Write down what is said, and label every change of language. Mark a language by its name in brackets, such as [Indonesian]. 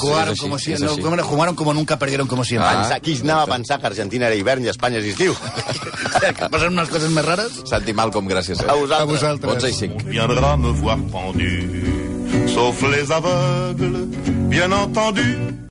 [Spanish] Jugaron como nunca, perdieron como siempre. [Catalan] Qui anava a pensar que Argentina era hivern i Espanya és estiu? Passen unes coses més rares. Santi Malcom, gràcies. A vosaltres. 11 i 5. [French] Viendra me voir pendu, sauf les aveugles, bien entendu.